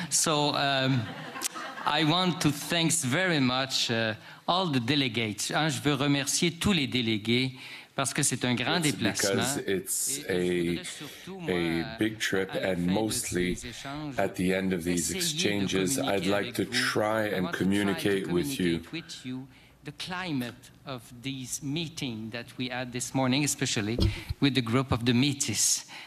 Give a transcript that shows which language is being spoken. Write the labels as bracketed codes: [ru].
[en] So I want to thank very much all the delegates. [fr] Je veux remercier tous les délégués parce que c'est un grand déplacement. [en] Because it's a big trip, and mostly at the end of these exchanges, I'd like to try and communicate with you. The climate of this meeting that we had this morning, especially with the group of the Métis.